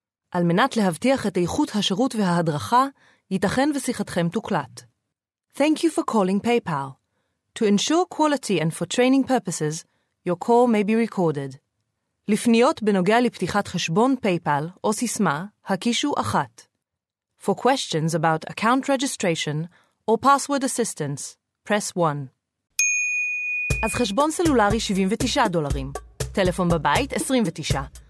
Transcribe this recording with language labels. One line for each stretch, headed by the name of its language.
Hebrew: על מנת להבטיח את איכות השירות וההדרכה, ייתכן ושיחתכם תוקלט.
English: Thank you for calling PayPal. To ensure quality and for training purposes, your call may be recorded.
Hebrew: לפניות בנוגע לפתיחת חשבון PayPal או סיסמה, הקישו 1.
English: For questions about account registration or password assistance, press 1.
Hebrew: אז חשבון סלולרי 79 דולרים. טלפון בבית 29.